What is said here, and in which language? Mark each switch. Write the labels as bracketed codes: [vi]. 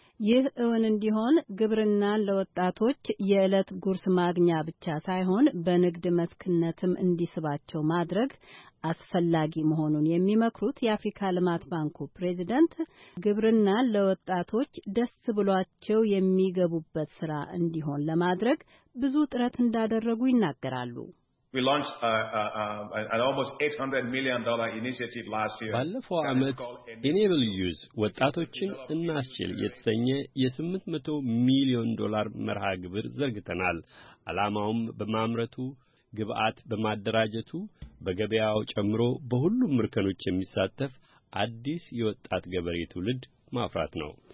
[am] ይህ እውን እንዲሆን ግብርናን ለወጣቶች የዕለት ጉርስ ማግኛ ብቻ ሳይሆን በንግድ መስክነትም እንዲስባቸው ማድረግ አስፈላጊ መሆኑን የሚመክሩት የአፍሪካ ልማት ባንኩ ፕሬዚደንት ግብርናን ለወጣቶች ደስ ብሏቸው የሚገቡበት ስራ እንዲሆን ለማድረግ ብዙ ጥረት እንዳደረጉ ይናገራሉ። [en] We launched an almost $800 million initiative last year. [am] ባለፈው አመት Enable Use ወጣቶችን እናስችል የተሰኘ የ800 ሚሊዮን ዶላር መርሃ ግብር ዘርግተናል። አላማውም በማምረቱ ግብአት በማደራጀቱ በገበያው ጨምሮ በሁሉም ምርከኖች የሚሳተፍ አዲስ የወጣት ገበሬ ትውልድ ማፍራት ነው።